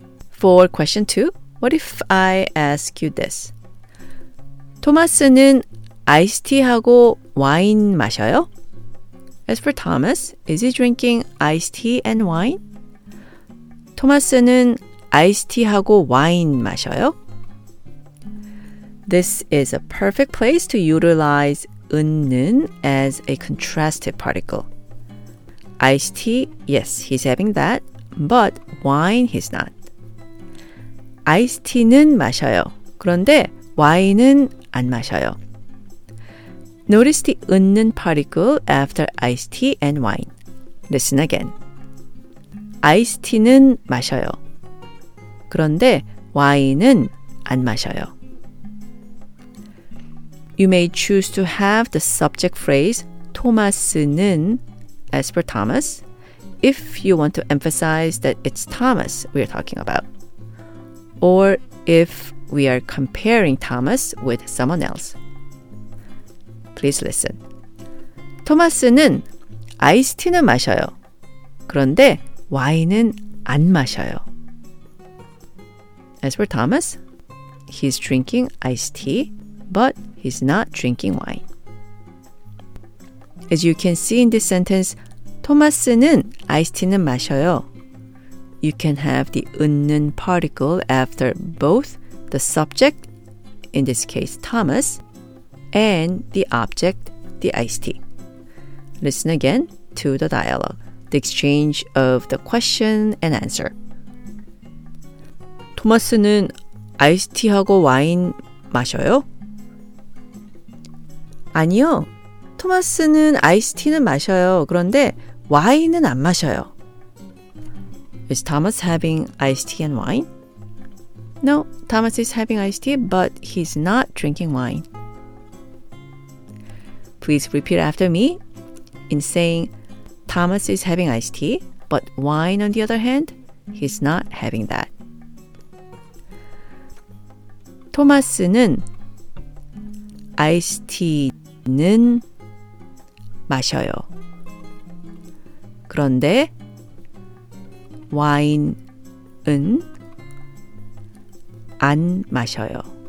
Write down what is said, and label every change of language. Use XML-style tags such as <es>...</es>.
<en>For question 2, what if I ask you this?</en> <ko>토마스는 아이스티하고 와인 마셔요?</ko> <en>As for Thomas, is he drinking iced tea and wine?</en> <ko>토마스는 아이스티하고 와인 마셔요?</ko> <en>This is a perfect place to utilize 은는 as a contrastive particle. Iced tea, yes, he's having that, but wine he's not.</en> <ko>아이스티는 마셔요. 그런데 와인은 안 마셔요.</ko> <en>Notice the 은는 particle after iced tea and wine. Listen again.</en> <ko>아이스 티는 마셔요. 그런데 와인은 안 마셔요.</ko> <en>You may choose to have the subject phrase 토마스는 as per Thomas if you want to emphasize that it's Thomas we are talking about, or if we are comparing Thomas with someone else. Please listen.</en> <ko>토마스는 아이스티는 마셔요. 그런데 와인은 안 마셔요.</ko> <en>As for Thomas, he's drinking iced tea, but he's not drinking wine. As you can see in this sentence,</en> <ko>토마스는 아이스티는 마셔요.</ko> <en>You can have the 은는 particle after both the subject, in this case Thomas, and the object, the iced tea. Listen again to the dialogue, the exchange of the question and answer.</en> <ko>토마스는 아이스티하고 와인 마셔요? 아니요. 토마스는 아이스티는 마셔요. 그런데 와인은 안 마셔요.</ko> <en>Is Thomas having iced tea and wine? No, Thomas is having iced tea, but he's not drinking wine. Please repeat after me. In saying, Thomas is having iced tea, but wine, on the other hand, he's not having that.</en> <ko>토마스는 아이스티는 마셔요. 그런데 와인은 안 마셔요.</ko>